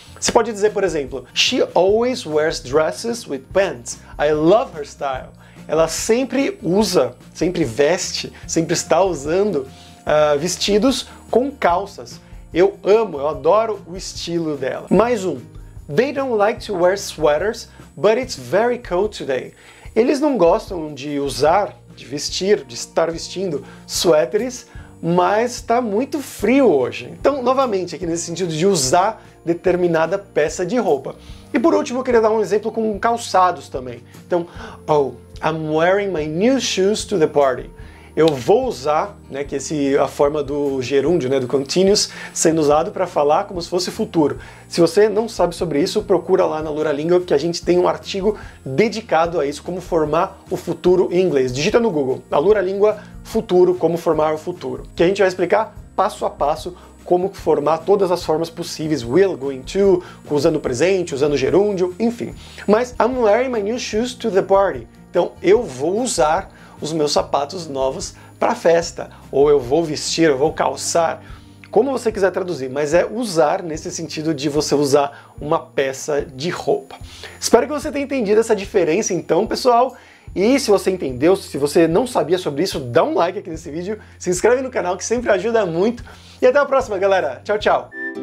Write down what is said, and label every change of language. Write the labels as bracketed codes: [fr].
[pt] Você pode dizer, por exemplo, [en] she always wears dresses with pants, I love her style. [pt] Ela sempre usa, sempre veste, sempre está usando vestidos com calças. Eu amo, eu adoro o estilo dela. Mais um. [en] They don't like to wear sweaters, but it's very cold today. [pt] Eles não gostam de usar, de vestir, de estar vestindo suéteres, mas está muito frio hoje. Então, novamente, aqui nesse sentido de usar determinada peça de roupa. E por último, eu queria dar um exemplo com calçados também. [en] Então, oh, I'm wearing my new shoes to the party. [pt] Eu vou usar, né, que esse a forma do gerúndio, né, do continuous, sendo usado para falar como se fosse futuro. Se você não sabe sobre isso, procura lá na Neurolíngua, que a gente tem um artigo dedicado a isso, como formar o futuro em inglês. Digita no Google, na Neurolíngua, futuro, como formar o futuro. Que a gente vai explicar passo a passo como formar todas as formas possíveis, will, going to, usando o presente, usando o gerúndio, enfim. [en] Mas, I'm wearing my new shoes to the party. [pt] Então, eu vou usar os meus sapatos novos para a festa, ou eu vou vestir, eu vou calçar, como você quiser traduzir, mas é usar nesse sentido de você usar uma peça de roupa. Espero que você tenha entendido essa diferença então, pessoal, e se você entendeu, se você não sabia sobre isso, dá um like aqui nesse vídeo, se inscreve no canal que sempre ajuda muito, e até a próxima, galera! Tchau, tchau!